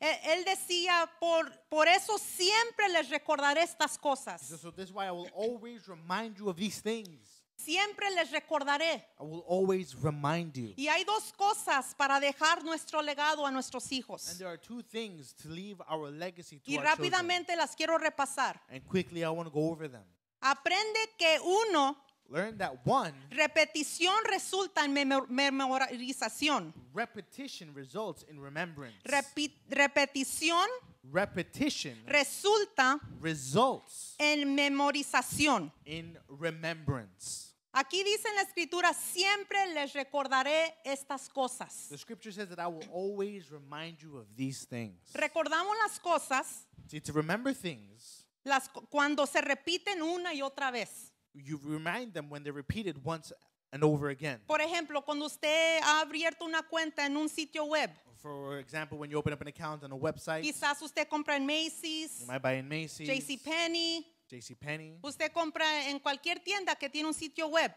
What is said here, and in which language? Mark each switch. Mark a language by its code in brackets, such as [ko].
[es] él decía, por eso siempre les recordaré estas cosas. [en] He says, so this is why I will always remind you of these things. [es] Siempre les recordaré. [en] I will always remind you. [es] Y hay dos cosas para dejar nuestro legado a nuestros hijos. [en] And there are two things to leave our legacy to [es] y rápidamente [en] our children. [es] Las quiero repasar. [en] And quickly I want to go over them. [es] Aprende que uno. [en] Learn that one. [es] Repetición resulta en memorización. [en] Repetition results in remembrance. [es] Repetición. [en] Repetition [es] resulta [en] results [es] en memorización. [en] In remembrance. [es] Aquí dice en la escritura siempre les recordaré estas cosas. [en] The scripture says that I will always remind you of these things. [es] Recordamos las cosas. [en] See, to remember things. [es] Las cuando se repiten una y otra vez. [en] You remind them when they're repeated once and over again. [es] Por ejemplo, cuando usted ha abierto una cuenta en un sitio web. [en] For example, when you open up an account on a website. [es] Quizás usted compra en Macy's. [en] You might buy in Macy's. JCPenney. JCPenney. [es] Usted compra en cualquier tienda que tiene un sitio web.